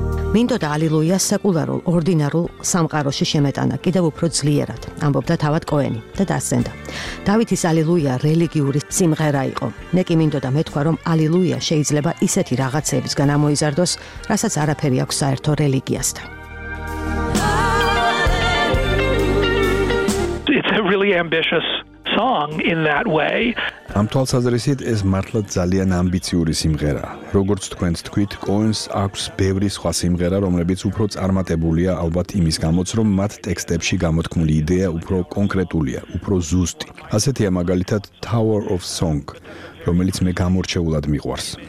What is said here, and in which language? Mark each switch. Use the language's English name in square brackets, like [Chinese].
[Georgian] მინდოდა ალილუია სეკულარულ, ორდინარულ სამყაროში შემეტანა, კიდევ უფრო ძლიერად, ამბობდა თავად კოენი და დასცენდა. დავითის ალილუია რელიგიური სიმღერა იყო. მე კი მინდოდა მეთქვა, რომ ალილუია შეიძლება ისეთი რაღაცებისგან ამოიზარდოს, რასაც არაფერი აქვს საერთო რელიგიასთან. [English] It's a really ambitious song in that way. [Georgian] ამ თვალსაზრისით ეს მართლა ძალიან ამბიციური სიმღერაა. როგორც თქვენ თქვით, კოენს აქვს ბევრი სხვა სიმღერა, რომლებიც უფრო წარმატებულია, ალბათ იმის გამოც, რომ მათ ტექსტებში გამოთქმული იდეა უფრო კონკრეტულია, უფრო ზუსტი. ასეთია მაგალითად Tower of Song, რომელიც მე გამორჩეულად მიყვარს.